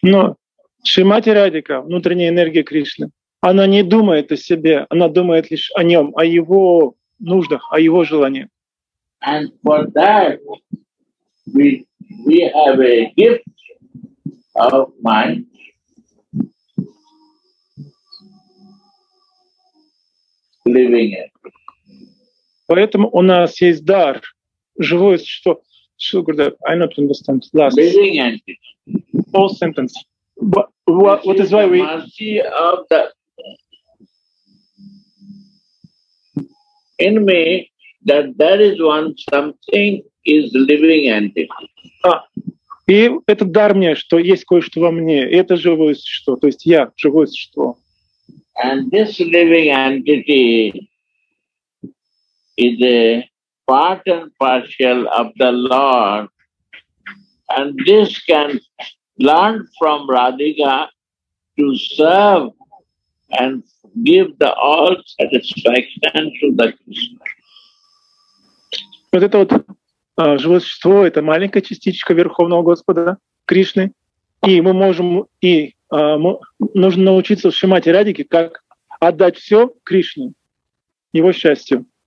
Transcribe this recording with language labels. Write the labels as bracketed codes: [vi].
[ru] Но Шримати Радика, внутренняя энергия Кришны, она не думает о себе, она думает лишь о нем, о его нуждах, о его желаниях. [en] And for that, we have a gift of mind. [ru] Поэтому у нас есть дар, живое существо. [en] I not understand. Last. Living entity. All sentence. What is why we? Mercy of the. In me, that there is one something is living entity. [ru] И этот дар мне, что есть кое-что во мне, это живое существо. То есть я живое существо. [en] And this living entity is a part and partial of the Lord. And this can learn from Radhika to serve and give the all satisfaction to the Krishna. [ru] Вот это вот живое существо, это маленькая частичка Верховного Господа Кришны. И мы можем и нужно научиться в Шримати Радике, как отдать все Кришне, его счастью.